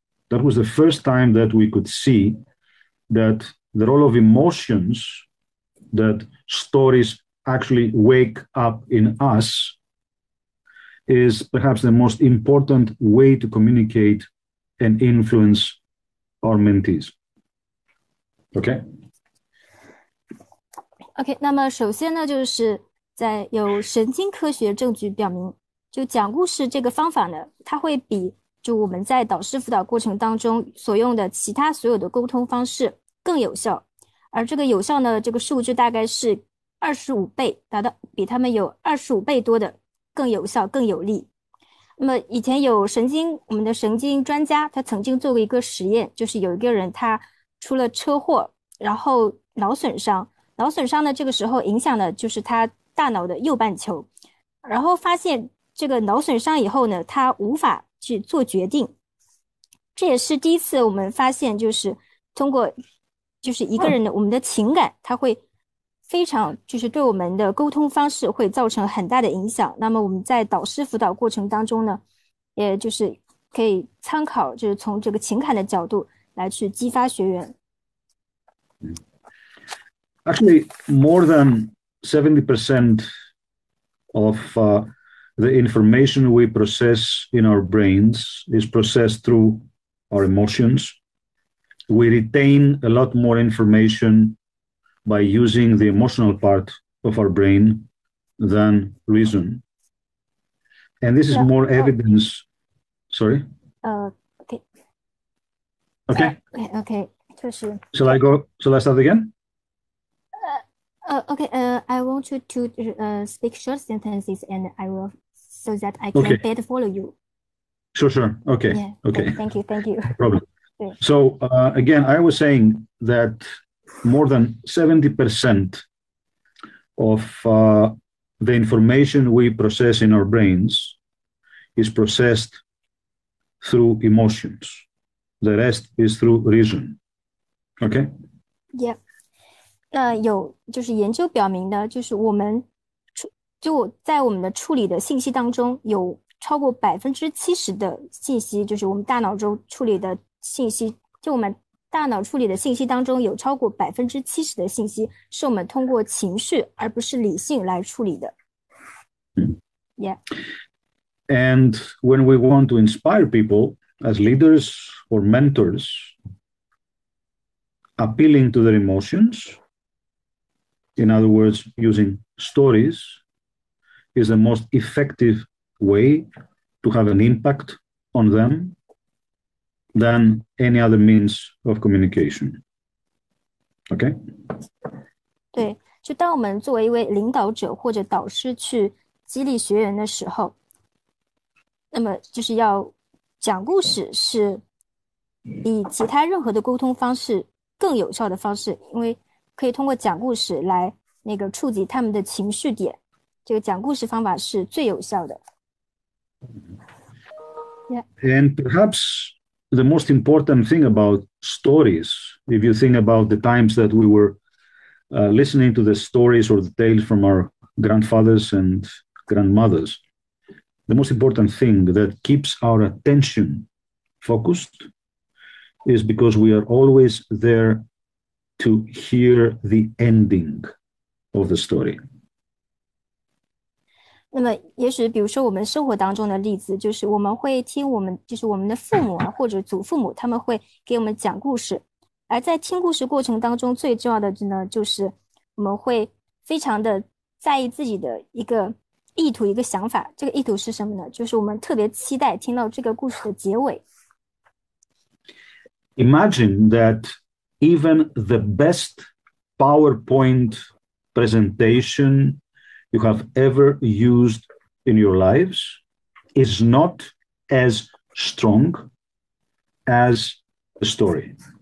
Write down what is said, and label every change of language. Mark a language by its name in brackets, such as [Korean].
[English] That was the first time that we could see that the role of emotions that stories actually wake up in us is perhaps the most important way to communicate and influence our mentees. Okay? [Chinese] Okay, 那么首先呢，就是在有神经科学证据表明，就讲故事这个方法呢，它会比就我们在导师辅导过程当中所用的其他所有的沟通方式更有效，而这个有效呢，这个数据大概是25倍，达到比他们有25倍多的更有效、更有力。那么以前有神经，我们的神经专家他曾经做过一个实验，就是有一个人他出了车祸，然后脑损伤呢，这个时候影响的就是他大脑的右半球，然后发现这个脑损伤以后呢，他无法去做决定。这也是第一次我们发现，就是通过。就是一个人的我们的情感它会非常就是对我们的沟通方式会造成很大的影响。那么我们在导师辅导过程当中呢，也就是可以参考，就是从这个情感的角度来去激发学员。 [English] Actually, more than 70% of the information we process in our brains is processed through our emotions. We retain a lot more information by using the emotional part of our brain than reason. And this is more evidence. Sorry. Okay. Shall I start again? I want you to speak short sentences, and I will so that I Okay. can better follow you. Sure. Okay. Yeah. Okay. Okay. Thank you. Thank you. No problem. Yeah. So again, I was saying that more than 70% of the information we process in our brains is processed through emotions. The rest is through reason. Okay. [Chinese] Yeah，那有就是研究表明呢，就是我们就在我们的处理的信息当中，有超过70%的信息，就是我们大脑中处理的信息，就我们大脑处理的信息当中，有超过70%的信息是我们通过情绪而不是理性来处理的。 Yeah。 [English] And when we want to inspire people as leaders or mentors, appealing to their emotions, in other words, using stories, is the most effective way to have an impact on them than any other means of communication. Okay? [Chinese] 对，就当我们作为一位领导者或者导师去激励学员的时候，那么就是要讲故事是比其他任何的沟通方式更有效的方式，因为可以通过讲故事来那个触及他们的情绪点，这个讲故事方法是最有效的。 [English] And perhaps the most important thing about stories, if you think about the times that we were listening to the stories or the tales from our grandfathers and grandmothers, the most important thing that keeps our attention focused is because we are always there to hear the ending of the story. [Chinese] 那么，也许比如说我们生活当中的例子，就是我们会听我们，就是我们的父母啊，或者祖父母，他们会给我们讲故事。而在听故事过程当中，最重要的呢，就是我们会非常的在意自己的一个意图、一个想法。这个意图是什么呢？就是我们特别期待听到这个故事的结尾。 [English] Imagine that even the best PowerPoint presentation you have ever used in your lives is not as strong as the story.